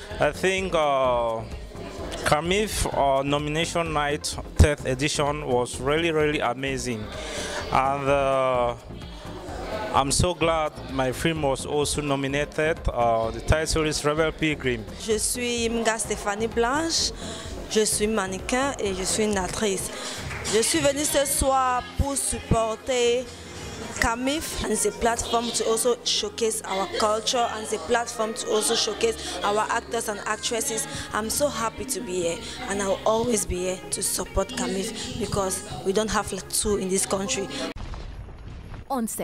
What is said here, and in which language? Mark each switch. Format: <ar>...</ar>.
<en>I think CAMIF nomination night, 10th edition, was really, really amazing. And I'm so glad my film was also nominated. The title is Rebel Pilgrim.</en> <fr>Je suis Mga Stéphanie Blanche. Je suis mannequin et je suis une actrice. Je suis venue ce soir pour supporter CAMIF</fr> <en>and the platform to also showcase our culture and the platform to also showcase our actors and actresses. I'm so happy to be here and I'll always be here to support CAMIF because we don't have like two in this country. On set.</en>